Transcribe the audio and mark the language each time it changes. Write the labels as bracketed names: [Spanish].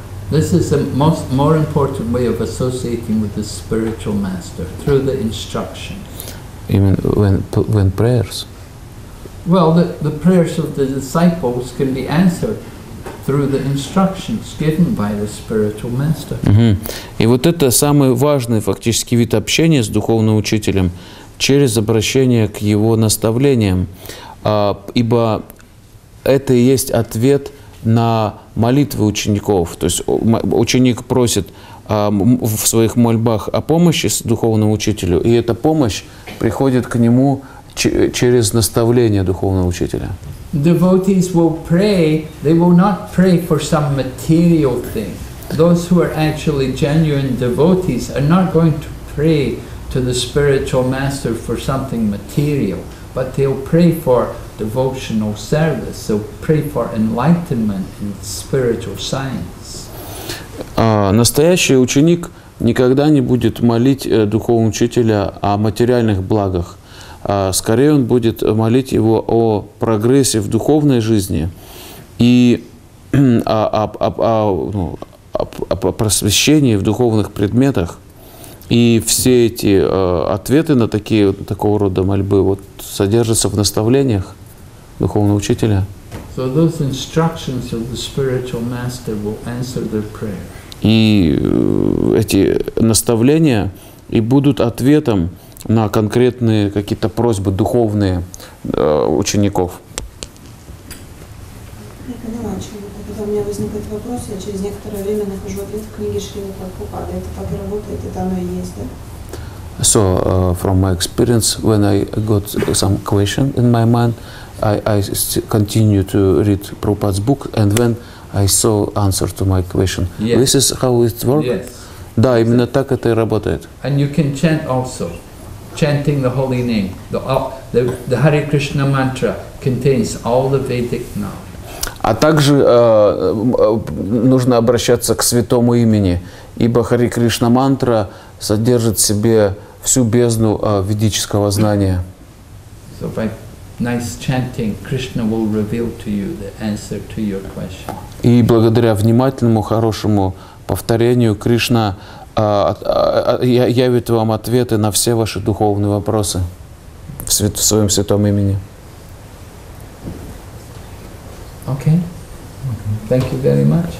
[English] This is the more important way of associating with the spiritual master through the instructions. Even when prayers. Well, the prayers of the disciples can be answered through the instructions given by the spiritual master. Mm-hmm. [Russian] И вот это самый важный фактически вид общения с духовным учителем через обращение к его наставлениям, ибо это и есть ответ на молитвы учеников. То есть ученик просит в своих мольбах о помощи с духовному учителю, и эта помощь приходит к нему через наставление духовного учителя. [English] Devotees will pray, they will not pray for some material thing. Those who are actually genuine devotees are not going to pray to the spiritual master for something material, but they'll pray for devotional service, they'll pray for enlightenment in spiritual science. [Russian] Настоящий ученик никогда не будет молить духовного учителя о материальных благах. Скорее он будет молить его о прогрессе в духовной жизни и о просвещении в духовных предметах. И все эти ответы на такого рода мольбы вот, содержатся в наставлениях духовного учителя. [English] So those instructions of the spiritual master will answer their prayer. [Russian] И эти наставления и будут ответом на конкретные какие-то просьбы духовные учеников. Я поняла, когда у меня возникает вопрос, я через некоторое время нахожу ответ в книге Шрилы Прабхупады. Это так и работает, это оно и есть, да? [English] So, from my experience, when I got some question in my mind, I continue to read Prabhupada's book, and then I saw answer to my question. Yes. This is how it works? Yes. [Russian] Да, именно так это и работает. [English] And you can chant also. Chanting the holy name, the Hare Krishna mantra contains all the Vedic knowledge. [Russian] А также нужно обращаться к святому имени, ибо Hare Krishna mantra содержит в себе всю бездну ведического знания. [English] So by nice chanting, Krishna will reveal to you the answer to your question. [Russian] И благодаря внимательному хорошему повторению Кришна явит вам ответы на все ваши духовные вопросы в своем святом имени. [English] Okay. Thank you very much.